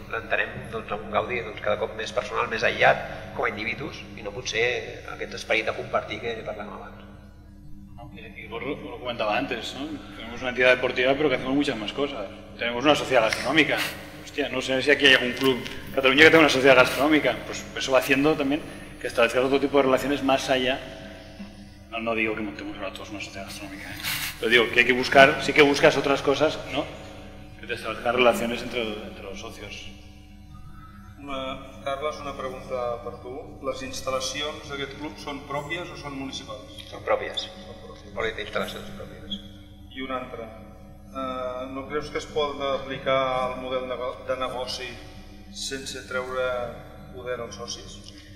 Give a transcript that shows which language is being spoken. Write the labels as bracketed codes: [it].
[ca] L'entenem doncs, amb un gaudi doncs, cada cop més personal, més aïllat, com a individus, i no potser aquest esperit de compartir que parlàvem abans. [es] I vos lo comentava antes, no? [ca] Tenim una entitat esportiva però que fem moltes més coses. Tenim una societat gastronòmica. Hòstia, no sé si aquí hi ha algun club a Catalunya que té una societat gastronòmica. [es] Pues eso va haciendo también que establezca otro tipo de relaciones más allá. No digo que montemos ahora todos una societat gastronòmica. Pero digo, que hay que buscar, sí que buscas otras cosas, ¿no? Que te establezcan relaciones entre los socios. [ca] Carles, una pregunta per tu. Les instal·lacions d'aquest club són pròpies o són municipals? Són pròpies. Són instal·lacions pròpies. I una altra. No creus que es pot aplicar el model de negoci sense treure poder als socis?